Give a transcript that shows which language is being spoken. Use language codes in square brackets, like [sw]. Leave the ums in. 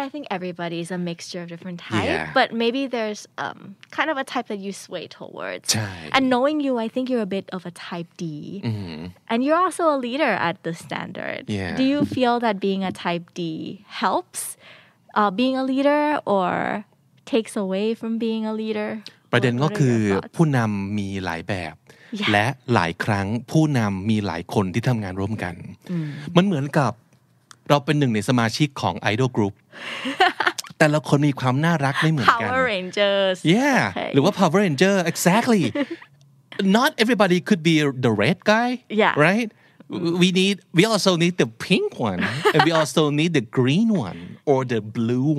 [en] I think everybody's a mixture of different types. Yeah. But maybe there's um, kind of a type that you sway towards. Type. And knowing you, I think you're a bit of a type D. Mm-hmm. And you're also a leader at the standard. Yeah. Do you feel that being a type D? helps uh, being a leader or takes away from being a leader [th] ประเด็นก็คือผู้นำมีหลายแบบ และหลายครั้งผู้นำมีหลายคนที่ทำงานร่วมกัน มันเหมือนกับเราเป็นหนึ่งในสมาชิกของ Idol Group แต่ละคนมีความน่ารักไม่เหมือนกัน Power Rangers [en] yeah [th] หรือว่า [en] Power Ranger exactly not everybody could be the red guy yeah right we need we also need the pink one and we also need the green one or the blue